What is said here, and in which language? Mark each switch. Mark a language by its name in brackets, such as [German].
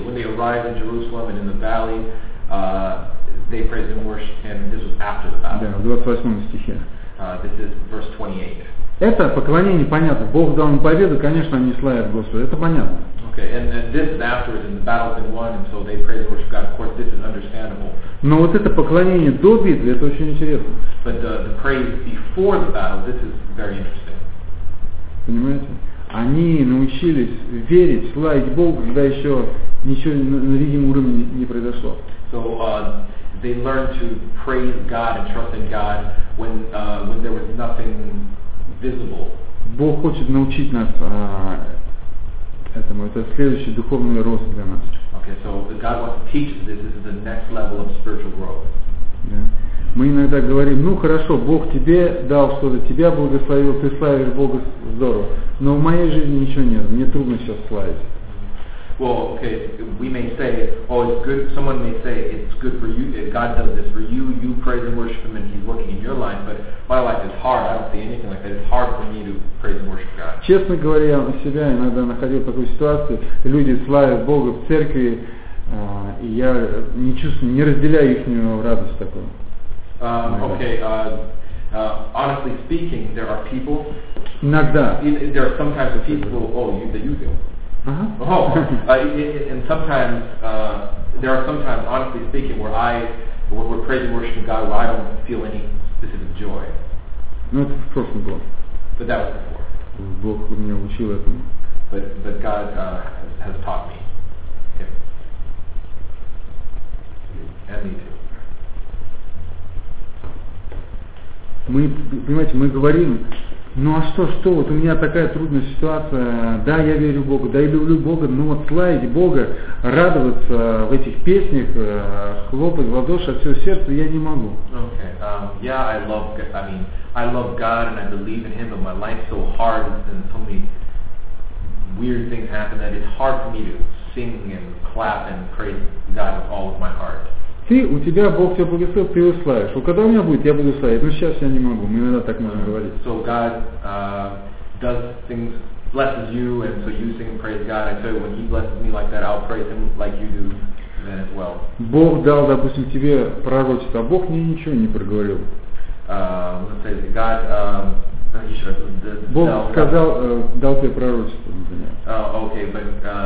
[English] When they arrived in Jerusalem and in the valley, they praised and worshipped him. This was after the battle. [Russian] Да, в 28 стихе. [English] This is verse 28. [Russian] Это поклонение понятно. Бог дал им победу, конечно, они славят Господа. Это понятно. [English] Okay, and this is afterwards, and the battle's been won, and so they praise and worship God. Of course, this is understandable. [Russian] Но вот это поклонение до битвы, это очень интересно. [English] But the praise before the battle, this is very interesting. [Russian] Понимаете? Они научились верить, славить Богу, когда еще ничего на видимом уровне не произошло. [English] So they learned to praise God and trust in God when there was nothing visible. [Russian] Бог хочет научить нас этому. Это следующий духовный рост для нас. [English] Okay, so God wants to teach us this. This is the next level of spiritual growth. [Russian] Мы иногда говорим, ну хорошо, Бог тебе дал что-то, тебя благословил, ты славишь Бога, здорово. Но в моей жизни ничего нет, мне трудно сейчас славить. [English] well, okay, we may say, oh, it's good, someone may say, it's good for you, God does this for you, you praise and worship Him, and He's working in your life, but my life is hard, I don't see anything like that, it's hard for me to praise and worship God. [Russian] Честно говоря, я у себя иногда находил такую ситуацию, люди славят Бога в церкви, и я не чувствую, не разделяю их радость такую. [English] Honestly speaking, there are people. [Russian] Иногда. [English] There are sometimes of people. Oh, you feel. And sometimes there are sometimes, honestly speaking, where I, when we're praising and worshiping God, where I don't feel any specific joy. [Russian] Ну это в прошлом году. [English] But that was before. [Russian] Бог меня учил этому. [English] But God has taught me. Him. And me too. [Russian] Мы, понимаете, мы говорим, ну а что, вот у меня такая трудная ситуация, да, я верю в Бога, да, я люблю Бога, но вот славить Бога, радоваться в этих песнях, хлопать в ладоши от всего сердца я не могу. [English] Okay, yeah, I love God and I believe in Him, but my life so hard and so many weird things happen that it's hard for me to sing and clap and praise God with all of my heart. [Russian] Ты, у тебя Бог тебя благословил, ты его славишь. Вот когда у меня будет, я буду славить, но сейчас я не могу, мы иногда так можем говорить. [English] So God does things, blesses you, and so you sing and praise God. I tell you, when He blesses me like that, I'll praise Him like you do then as well. [Russian] Бог дал, допустим, тебе пророчество, а Бог мне ничего не проговорил. Бог сказал, дал тебе пророчество, например.